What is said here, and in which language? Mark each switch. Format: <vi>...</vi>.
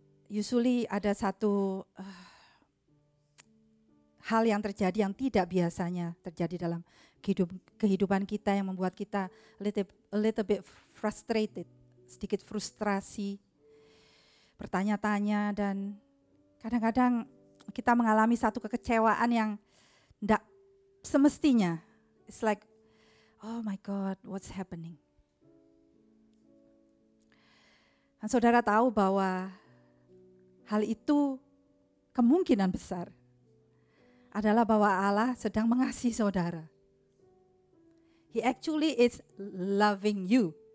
<id>Usually ada satu hal yang terjadi yang tidak biasanya terjadi dalam kehidupan kita yang membuat kita</id> <en>a little bit frustrated,</en> <id>sedikit frustrasi, bertanya-tanya, dan kadang-kadang kita mengalami satu kekecewaan yang tidak semestinya.</id> <en>It's like, oh my God, what's happening?</en> <id>Dan saudara tahu bahwa hal itu kemungkinan besar adalah bahwa Allah sedang mengasihi saudara.</id> <en>He actually is loving you.</en>